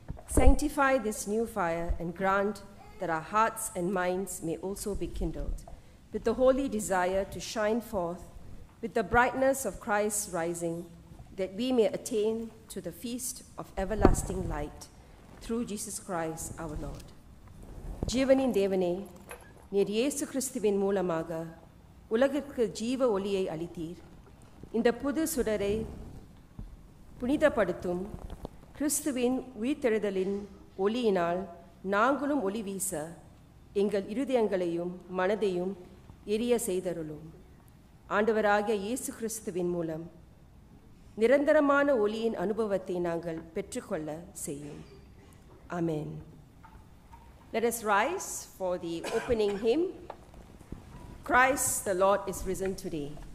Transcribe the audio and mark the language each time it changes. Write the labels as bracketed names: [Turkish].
[English] Sanctify this new fire and grant that our hearts and minds may also be kindled with the holy desire to shine forth with the brightness of Christ's rising, that we may attain to the feast of everlasting light through Jesus Christ our Lord. [Tamil] Jeevanin Devane, near Yesu Christivin Moolamaga, உலகிற்கு ஜீவ ஒளியை அளித்தீர். இந்த புது சுடரை புனிதப்படுத்தும் கிறிஸ்துவின் உயிர்த்தெழுதலின் ஒளியினால் நாங்களும் ஒளி வீச எங்கள் இருதயங்களையும் மனதையும் எரிய செய்தருளும். ஆண்டவராகிய இயேசு கிறிஸ்துவின் மூலம் நிரந்தரமான ஒளியின் அனுபவத்தை நாங்கள் பெற்றுக்கொள்ள செய்யும். [English] ஆமென். Let us rise for the opening hymn. Christ the Lord is risen today.